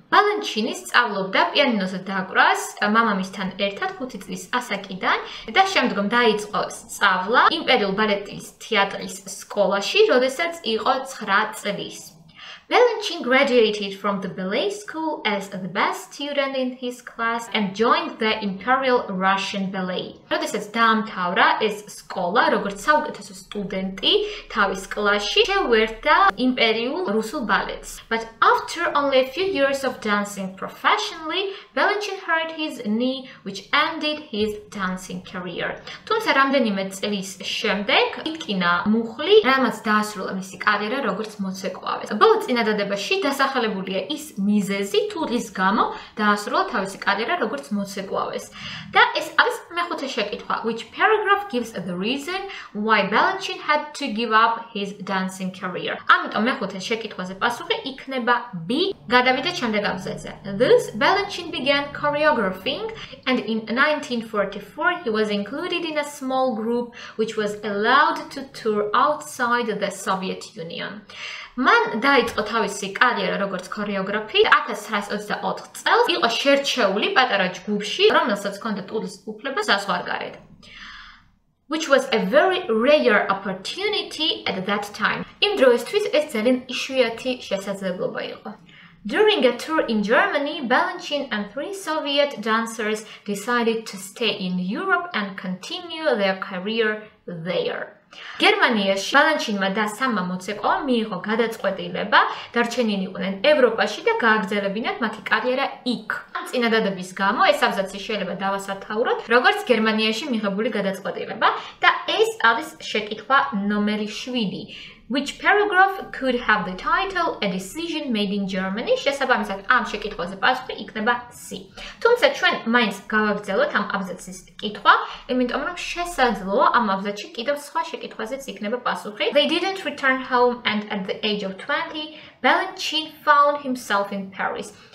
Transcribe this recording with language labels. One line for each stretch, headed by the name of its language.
Georgian: Balanchine სწავლობდა პიანინოს დაკვრას მამამისთან ერთად 5 წლის ასაკიდან და შემდგომ დაიწყო სწავლა იმპერიულ ბალეტის თეატრის სკოლაში, როდესაც იყო 9 წლის.
English: Balanchine graduated from the ballet school as the best student in his class and joined the Imperial Russian Ballet.
Georgian: როდესაც დაამთავრა ეს სკოლა, როგორც საუკეთესო სტუდენტი თავის კლასში, შეუერთდა იმპერიულ რუსულ ბალეტს.
English: But after only a few years of dancing professionally, Balanchine hurt his knee, which ended his dancing career.
Georgian: თუმცა რამდენიმე წლის შემდეგ იტკინა მუხლი, რამაც დაასრულა მისი კარიერა როგორც მოცეკვავე. წინადადებაში დასახელებულია ის მიზეზი, თუ რის გამო დაასრულა თავისი კარიერა როგორც მოცეკვავეს. Და ეს არის მეხუთე შეკითხვა.
English: Which paragraph gives the reason why Balanchine had to give up his dancing career?
Georgian: ამიტომ მეხუთე შეკითხვაზე პასუხი იქნება B. გადავიდეთ შემდეგ ამზადზე.
English: Thus, Balanchine began choreographing and in 1944 he was included in a small group which was allowed to tour outside the Soviet Union.
Georgian: მან დაიწყო თავისი კარიერა როგორც ქორეოგრაფი 1924 წელს იყო შერჩეული პატარა ჯგუფში რომელსაც ჰქონდა ტურის უფლება საზღვარგარეთ
English: which was a very rare opportunity at that time
Georgian: იმ დროისთვის ეს ძალიან იშვიათი შესაძლებლობა იყო
English: During a tour in Germany, Balanchine and 3 Soviet dancers decided to stay in Europe and continue their career there.
Georgian: გერმანიაში ბალანჩინმა და სამმა მოცეკვავემ მიიღო გადაწყვეტილება, დარჩენილი იყვნენ ევროპაში და გააგრძელებინათ მათი კარიერა იქ. ამ წინადადების გამო ეს აბზაცი შეიძლება დავასათაუროთ, როგორც გერმანიაში მიღებული გადაწყვეტილება და ეს არის შეკითხვა ნომერი 7.
English: Which paragraph could have the title A decision made in Germany?
Georgian: შესაბამისად, ამ შეკითხვაზე პასუხი იქნება C. თუმცა ჩვენ მაინც გავაგრძელოთ ამ აბზაცის კითხვა, იმიტომ რომ შესაძლოა ამ აბზაცში კიდევ სხვა შეკითხვაზეც იქნება პასუხი.
English: They didn't return home and at the age of 20, Balanchine found himself in Paris.